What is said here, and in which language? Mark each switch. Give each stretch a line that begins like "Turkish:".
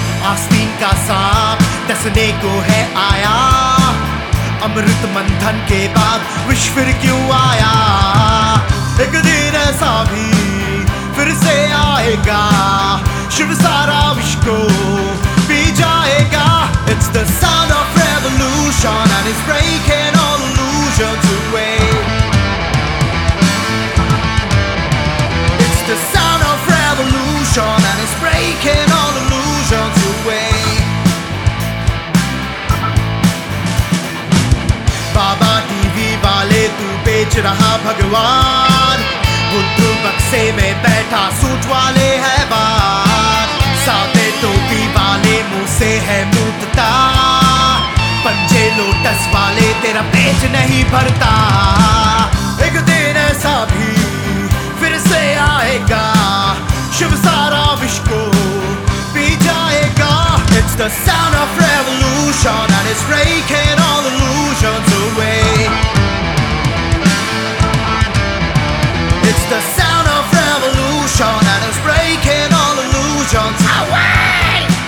Hindi: आस्तीन का सांप दसने को है आया, अमृत मंथन के बाद विश्व फिर क्यों आया। एक दिन ऐसा भी फिर से आएगा, शिव सारा विश्व को पी जाएगा।
English: It's the sound of revolution and it's breaking all illusions away. It's the sound of revolution and it's breaking all illusions away.
Hindi: Baba TV वाले तू बेच रहा भगवान, बुद्ध बक्से में बैठा सूट वाले है बार, सादे टोपी वाले मुंह से है मूतता, पंजे लोटस वाले तेरा पेट नहीं भरता। एक दिन ऐसा भी फिर से आएगा, शिव सारा विश्व को पी जाएगा।
English: It's the sound of revolution and it's breaking all illusions away. It's the sound of revolution and it's breaking all illusions away.